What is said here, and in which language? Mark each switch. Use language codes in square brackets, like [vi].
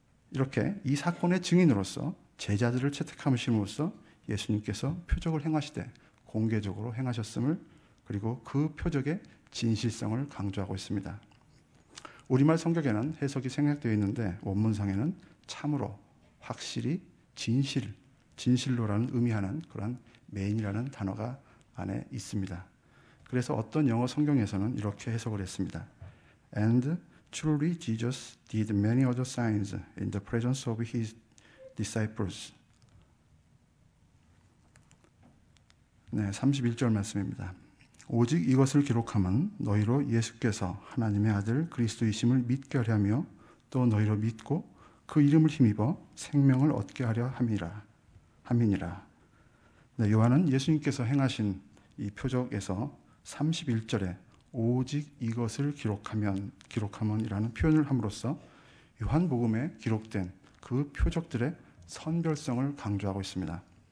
[ko] 이렇게 이 사건의 증인으로서 제자들을 채택함으로써 예수님께서 표적을 행하시되 공개적으로 행하셨음을 그리고 그 표적의 진실성을 강조하고 있습니다. 우리말 성경에는 해석이 생략되어 있는데 원문상에는 참으로 확실히 진실로라는 의미하는 그런 main이라는 단어가 안에 있습니다. 그래서 어떤 영어 성경에서는 이렇게 해석을 했습니다. [en] And truly Jesus did many other signs in the presence of his disciples. [ko] 네, 31절 말씀입니다. 오직 이것을 기록함은 너희로 예수께서 하나님의 아들 그리스도이심을 믿게 하려 하며 또 너희로 믿고 그 이름을 힘입어 생명을 얻게 하려 함이니라. 네, 요한은 예수님께서 행하신 이 표적에서 31절에 오직 이것을 기록함은이라는 표현을 함으로써 요한복음에 기록된 그 표적들의 선별성을 강조하고 있습니다.